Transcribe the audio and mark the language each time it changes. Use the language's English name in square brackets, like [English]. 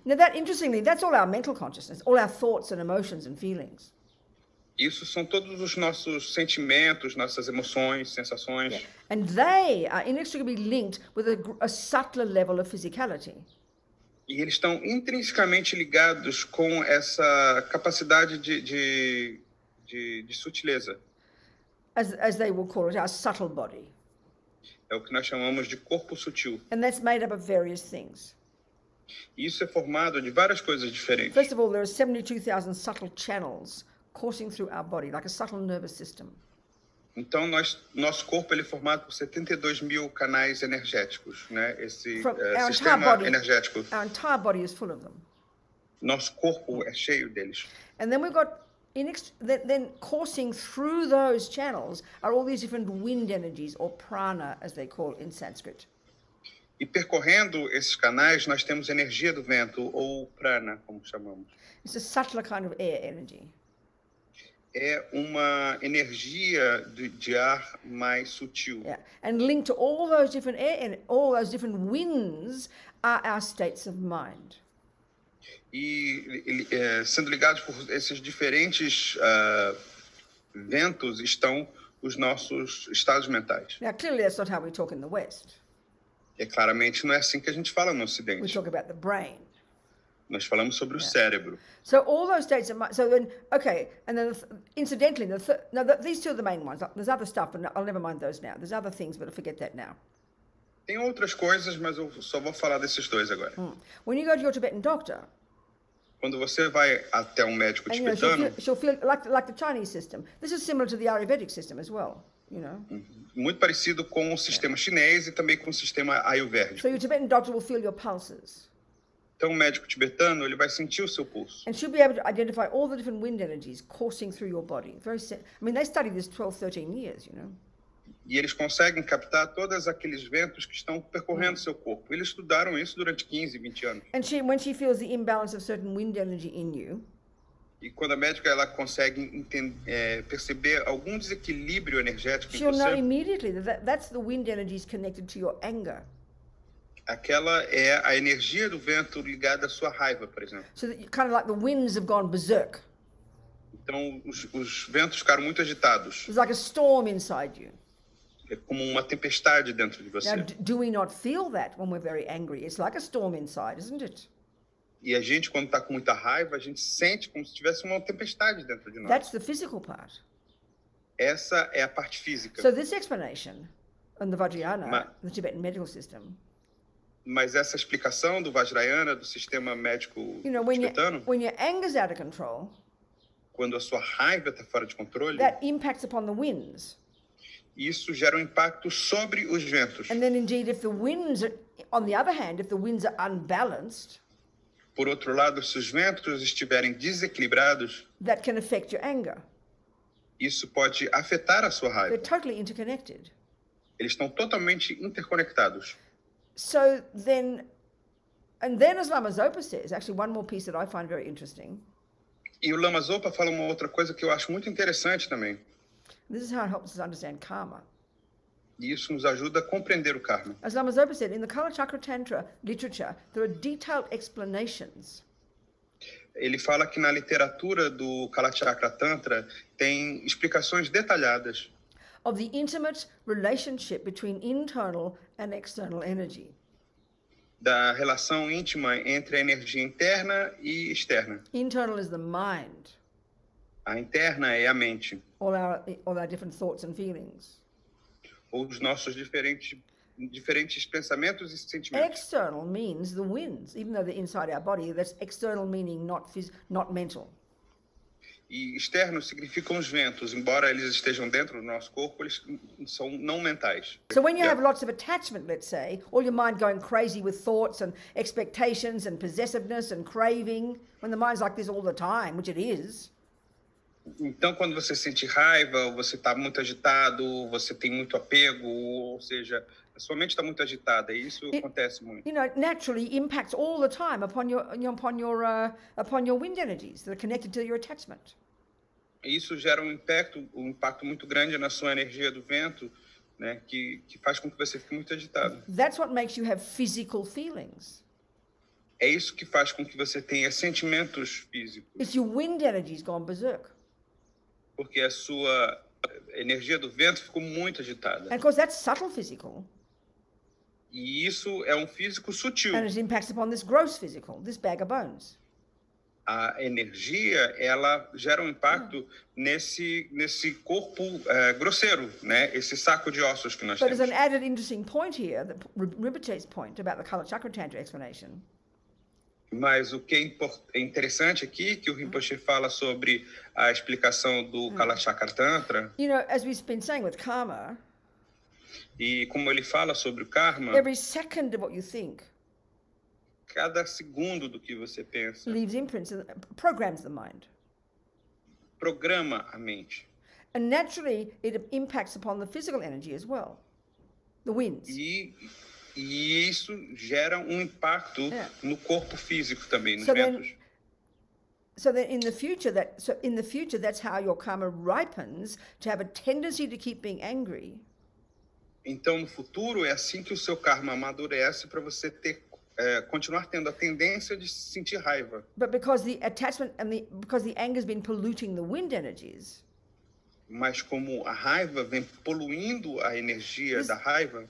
[English] Now that interestingly, that's all our mental consciousness, all our thoughts and emotions and feelings. [Portuguese] Isso são todos os nossos sentimentos, nossas emoções, sensações. Yeah. [English] And they are inextricably linked with a subtler level of physicality. [Portuguese] E eles estão intrinsecamente ligados com essa capacidade de sutileza. [English] As they will call it, our subtle body. [Portuguese] É o que nós chamamos de corpo sutil. [English] And that's made up of various things. [Portuguese] Isso é formado de várias coisas diferentes. [English] First of all, there are 72,000 subtle channels coursing through our body, like a subtle nervous system. [Portuguese] Então, nosso corpo ele é formado por 72,000 canais energéticos, né? Esse sistema energético. [English] Our entire body is full of them. [Portuguese] Nosso corpo é cheio deles. [English] And then we've got then coursing through those channels are all these different wind energies, or prana, as they call it in Sanskrit. [Portuguese] E percorrendo esses canais, nós temos energia do vento, ou prana, como chamamos. [English] It's a subtler kind of air energy. [Portuguese] É uma energia de ar mais sutil. [English] Yeah. And linked to all those different air and all those different winds are our states of mind. [Portuguese] E sendo ligados por esses diferentes ventos estão os nossos estados mentais. [English] Now, clearly that's not how we talk in the West. [Portuguese] É claramente não é assim que a gente fala no Ocidente. [English] We talk about the brain. [Portuguese] Nós falamos sobre o cérebro. [English] So all those states are so then okay, and then incidentally, these two are the main ones. There's other stuff, but I'll never mind those now. There's other things, but I'll forget that now. [Portuguese] Tem outras coisas, mas eu só vou falar desses dois agora. [English] When you go to your Tibetan doctor. [Portuguese] Quando você vai até médico tibetano. [English] And you know, she'll feel like the Chinese system. This is similar to the Ayurvedic system as well. You know. [Portuguese] Muito parecido com o sistema chinês e também com o sistema ayurvédico. [English] So your Tibetan doctor will feel your pulses. [Portuguese] Então, o médico tibetano, ele vai sentir o seu pulso. [English] And she'll be able to identify all the different wind energies coursing through your body. They studied this 12, 13 years, you know. [Portuguese] E eles conseguem captar todos aqueles ventos que estão percorrendo seu corpo. Eles estudaram isso durante 15, 20 anos. [English] And she, when she feels the imbalance of certain wind energy in you, [Portuguese] e quando a médica ela consegue perceber algum desequilíbrio energético em você, [English] immediately that's the wind energies connected to your anger. [Portuguese] Aquela é a energia do vento ligada à sua raiva, por exemplo. [English] So that you, kind of like the winds have gone berserk. [Portuguese] Então os ventos ficaram muito agitados. [English] It's like a storm inside you. [Portuguese] É como uma tempestade dentro de você. [English] Now, do we not feel that when we're very angry? It's like a storm inside, isn't it? [Portuguese] E a gente, quando está com muita raiva, a gente sente como se tivesse uma tempestade dentro de nós. [English] That's the physical part. [Portuguese] Essa é a parte física. [English] So this explanation on the Vajrayana, the Tibetan medical system. [Portuguese] Mas essa explicação do Vajrayana, do sistema médico tibetano. [English] When your anger's out of control. [Portuguese] Quando a sua raiva está fora de controle. [English] That impacts upon the winds. [Portuguese] Isso gera um impacto sobre os ventos. [English] And then indeed, if the winds are, on the other hand, if the winds are unbalanced. [Portuguese] Por outro lado, se os ventos estiverem desequilibrados, [English] that can affect your anger. [Portuguese] Isso pode afetar a sua raiva. [English] They're totally interconnected. [Portuguese] Eles estão totalmente interconectados. [English] So then, and then as Lama Zopa says, actually one more piece that I find very interesting. [Portuguese] E o Lama Zopa fala uma outra coisa que eu acho muito interessante também. [English] This is how it helps us understand karma. [Portuguese] Isso nos ajuda a compreender o karma. [English] As Lama Zopa said, in the Kala Chakra Tantra literature, there are detailed explanations. [Portuguese] Ele fala que na literatura do Kala Chakra Tantra tem explicações detalhadas. [English] Of the intimate relationship between internal and external energy. [Portuguese] Da relação íntima entre a energia interna e externa. [English] Internal is the mind. [Portuguese] A interna é a mente. [English] All our different thoughts and feelings. [Portuguese] Ou os nossos diferentes pensamentos e sentimentos. [English] External means the winds, even though they're inside our body, that's external meaning, not mental. [Portuguese] E externo significam os ventos, embora eles estejam dentro do nosso corpo, eles são não mentais. [English] So when you have lots of attachment, let's say, all your mind going crazy with thoughts and expectations and possessiveness and craving, when the mind's like this all the time, which it is. [Portuguese] Então, quando você sente raiva, você está muito agitado, você tem muito apego, ou seja, a sua mente está muito agitada, e isso acontece muito. [English] You know, naturally impacts all the time upon your wind energies that are connected to your attachment. [Portuguese] Isso gera um impacto muito grande na sua energia do vento, né, que faz com que você fique muito agitado. [English] That's what makes you have physical feelings. [Portuguese] É isso que faz com que você tenha sentimentos físicos. [English] It's your wind energies gone berserk. [Portuguese] Porque a sua energia do vento ficou muito agitada. [English] And of course, that's subtle physical. [Portuguese] E isso é um físico sutil. [English] And it impacts upon this gross physical, this bag of bones. [Portuguese] A energia, ela gera um impacto nesse corpo grosseiro, né? Esse saco de ossos que nós [English] But [Portuguese] temos. [English] But there's an added interesting point here, the Rinpoche's point about the Kala Chakra Tantra explanation. [Portuguese] Mas o que é interessante aqui, que o Rinpoche fala sobre a explicação do Kala Chakra Tantra. [English] You know, as we've been saying with karma. [Portuguese] E como ele fala sobre o karma. [English] Every second of what you think. [Portuguese] Cada segundo do que você pensa. [English] Leaves imprints, programs the mind. [Portuguese] Programa a mente. [English] And naturally, it impacts upon the physical energy as well. The winds. [Portuguese] E E isso gera impacto no corpo físico também, nos ventos. [English] So then in the future, that's how your karma ripens, to have a tendency to keep being angry. [Portuguese] Então, no futuro, é assim que o seu karma amadurece, para você ter, continuar tendo a tendência de sentir raiva. [English] But because the attachment and because the anger has been polluting the wind energies. [Portuguese] Mas como a raiva vem poluindo a energia da raiva,